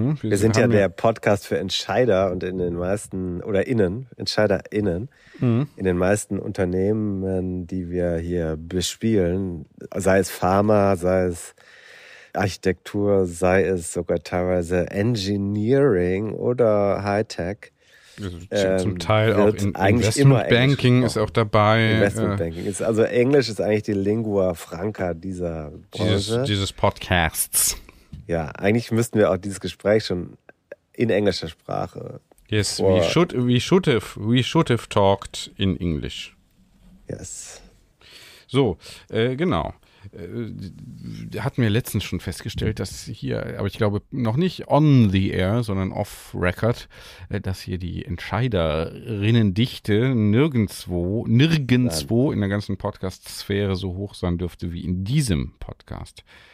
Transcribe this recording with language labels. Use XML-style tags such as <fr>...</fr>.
<de>Wir sind ja der Podcast für Entscheider und in den meisten, oder innen, EntscheiderInnen, in den meisten Unternehmen, die wir hier bespielen, sei es Pharma, sei es Architektur, sei es sogar teilweise Engineering oder Hightech. Zum Teil auch Investmentbanking ist auch dabei. Investmentbanking. Also Englisch ist eigentlich die Lingua Franca dieser dieses Podcasts. Ja, eigentlich müssten wir auch dieses Gespräch schon in englischer Sprache.</de> <en>Yes, we should have talked in English. Yes.</en> <de>So, genau. Hatten wir letztens schon festgestellt, dass hier, aber ich glaube noch nicht</de> <en>on the air,</en> <de>sondern</de> <en>off record,</en> <de>dass hier die Entscheiderinnendichte nirgendwo in der ganzen Podcast-Sphäre so hoch sein dürfte wie in diesem Podcast.</de>